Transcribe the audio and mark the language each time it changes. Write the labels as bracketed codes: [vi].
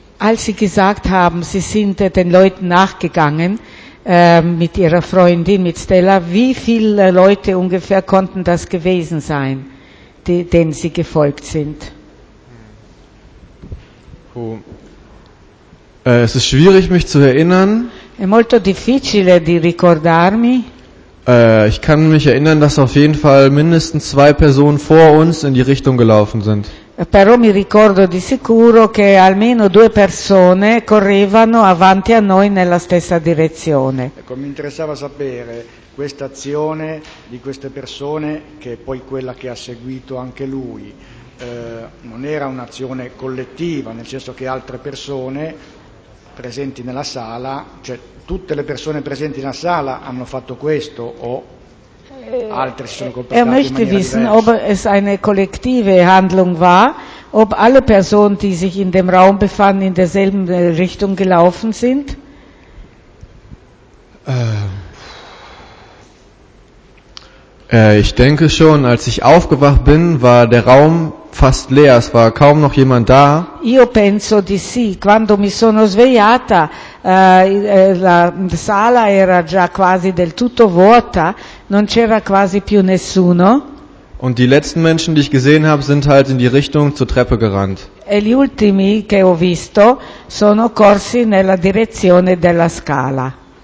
[de] Als sie gesagt haben, sie sind den Leuten nachgegangen, mit ihrer Freundin, mit Stella, wie viele Leute ungefähr konnten das gewesen sein, die, denen sie gefolgt sind? Oh. Es ist schwierig, mich zu erinnern. [it] È molto difficile di ricordarmi. [de] Ich kann mich erinnern, dass auf jeden Fall mindestens zwei Personen vor uns in die Richtung gelaufen sind. [it] Però mi ricordo di sicuro che almeno due persone correvano avanti a noi nella stessa direzione. Ecco, mi interessava sapere questa azione di queste persone, che è poi quella che ha seguito anche lui, non era un'azione collettiva, nel senso che altre persone presenti nella sala, cioè tutte le persone presenti nella sala hanno fatto questo o... [de] Er möchte wissen, ob es eine kollektive Handlung war, ob alle Personen, die sich in dem Raum befanden, in derselben Richtung gelaufen sind. Ich denke schon, als ich aufgewacht bin, war der Raum fast leer, es war kaum noch jemand da. [it] Io penso di sì, quando mi sono svegliata, la sala era già quasi del tutto vuota, non c'era quasi più nessuno. [de] Und die letzten Menschen, die ich gesehen habe, sind halt in die Richtung zur Treppe gerannt. [it] E gli ultimi che ho visto sono corsi nella direzione della scala.